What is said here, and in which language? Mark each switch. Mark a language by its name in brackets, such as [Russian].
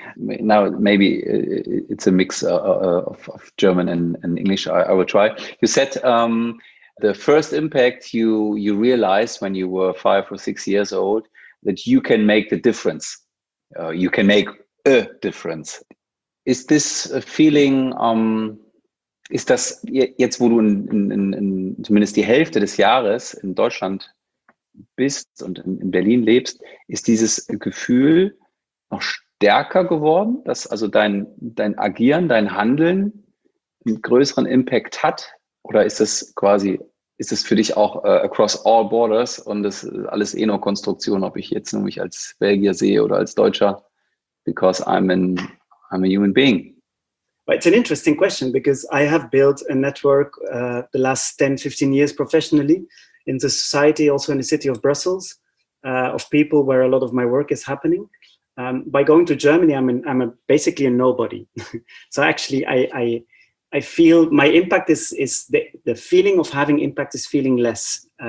[English] Now, maybe it's a mix of German and English, I will try. You said the first impact you realized when you were 5 or 6 years old, that you can make the difference. You can make a difference. Is this a feeling, [German] ist das jetzt, wo du in zumindest die Hälfte des Jahres in Deutschland bist und in Berlin lebst, ist dieses Gefühl noch stärker geworden, dass also dein Agieren, dein Handeln einen größeren Impact hat? Oder ist es für dich auch [English] across all borders [German] und das ist alles eh nur Konstruktion, ob ich jetzt nämlich als Belgier sehe oder als Deutscher, [English] because I'm a human being? Well, it's an interesting question because I have built a network the last 10, 15 years professionally in the society, also in the city of Brussels, of people where a lot of my work is happening. By going to Germany, I'm basically a nobody. So actually, I feel my impact is the feeling of having impact is feeling less.